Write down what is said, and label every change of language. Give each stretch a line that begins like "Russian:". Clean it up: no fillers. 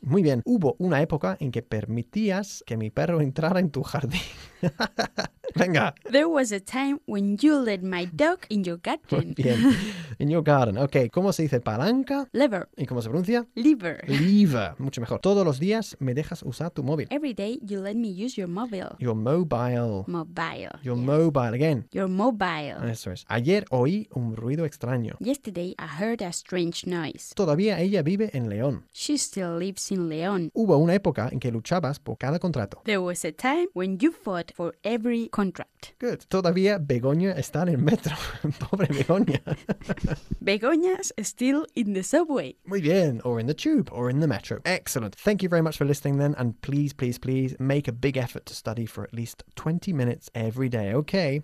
Spanish: Muy bien. Hubo una época en que permitías que mi perro entrara en tu jardín. Venga.
English: There was a time when you let my dog in your garden.
Spanish: Bien.
English: In your garden.
Spanish: Ok. ¿Cómo se dice palanca?
English: Lever.
Spanish: ¿Y cómo se pronuncia?
English: Lever.
Spanish: Lever. Mucho mejor. Todos los días me dejas usar tu móvil.
English: Every day you let me use your mobile. Your mobile. Mobile. Your yes. Mobile. Again. Your mobile.
Spanish: Eso es. Ayer oí un ruido extraño.
English: Yesterday I heard a strange noise.
Spanish: Todavía ella vive en León.
English: She still lives in León.
Spanish: Hubo una época en que luchabas por cada contrato.
English: There was a time when you fought for every contract.
Spanish: Good. Todavía Begoña está en el metro. Pobre Begoña.
English: Begoña's still in the subway.
Spanish: Muy bien.
English: Or in the tube. Or in the metro. Excellent. Thank you very much for listening then. And please, please, please make a big effort to study for at least 20 minutes every day. Okay.